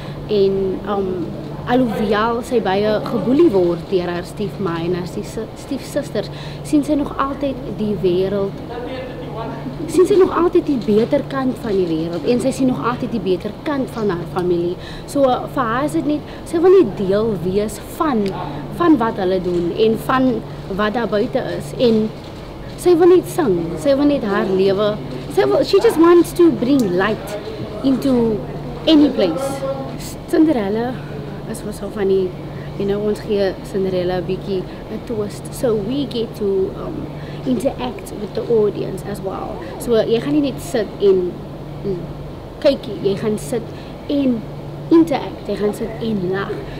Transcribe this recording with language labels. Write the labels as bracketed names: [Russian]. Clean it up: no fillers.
[Afrikaans] En alhoewel sy baie geboelie word deur haar stiefma en haar stiefsisters, sien sy nog altyd die beter kant van die wereld en sy sien nog altyd die beter kant van haar familie. So vir haar is dit net, sy wil nie deel wees van wat hulle doen en van wat daar buite is. En sy wil net sing, sy wil net haar lewe. [English] She just wants to bring light into any place. Cinderella is was so funny. You know, [Afrikaans] ons gee Cinderella bietjie 'n twist. [English] So we get to interact with the audience as well. [Afrikaans] So jy gaan nie net sit en kykie, jy gaan sit en interact, jy gaan sit en lag.